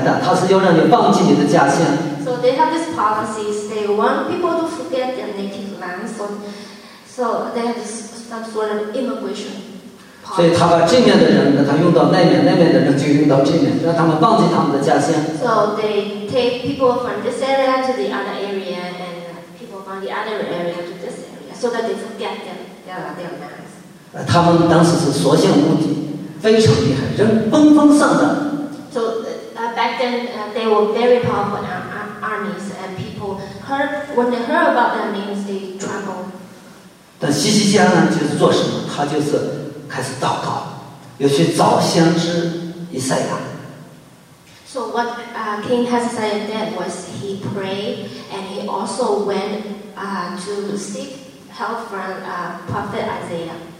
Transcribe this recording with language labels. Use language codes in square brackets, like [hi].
[zh] 他们采取一个政策叫做移民政策，不是要移民加拿大，他是要让你忘记你的家乡。 [en] So they have this policy. They want people to forget their native land. So they have this some sort of immigration policy. [zh] 所以他把这面的人，他用到那面，那面的人就用到这面，让他们忘记他们的家乡。 [en] So they take people from this area to the other area and from the other area to this area, so that they forget their lands. So back then, they were very powerful armies, and people heard when they heard about them, means they trembled. [zh] 但西西家呢，就是做什么？他就是开始祷告，要去找先知以赛亚。 [en] So what King Hezekiah did was he prayed and he also went to seek help from Prophet Isaiah.